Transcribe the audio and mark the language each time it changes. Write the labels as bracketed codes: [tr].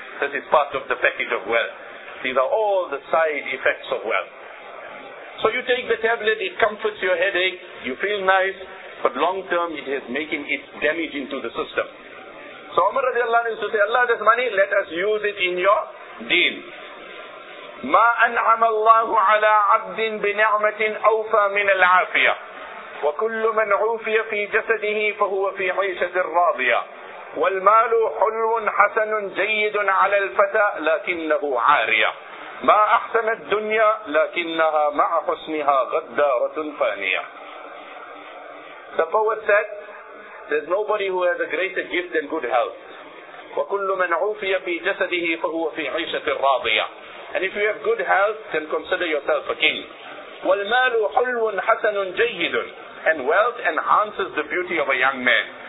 [en] This is part of the package of wealth. These are all the side effects of wealth. So you take the tablet, it comforts your headache, you feel nice, but long term it is making its damage into the system. So Umar radiallahu anhu used to say, Allah, this money, let us use it in your deen. [ar] ما أنعم الله على عبد بنعمة أوفى من العافية وكل من عوفي في جسده فهو في عيشة راضية والمال حلو حسن جيد على الفتى لكنه عارية ما أحسن الدنيا لكنها مع حسنها غدارة فانية. [en] The poet said, there's nobody who has a greater gift than good health. [ar] وَكُلُّ مَنْ عُوفِيَ فِي جَسَدِهِ فَهُوَ فِي عِيشَةِ الرَّاضِيَةِ. [en] And if you have good health, then consider yourself a king. [ar] وَالْمَالُ حُلْوٌ حَسَنٌ جَيِّدٌ. [en] And wealth enhances the beauty of a young man.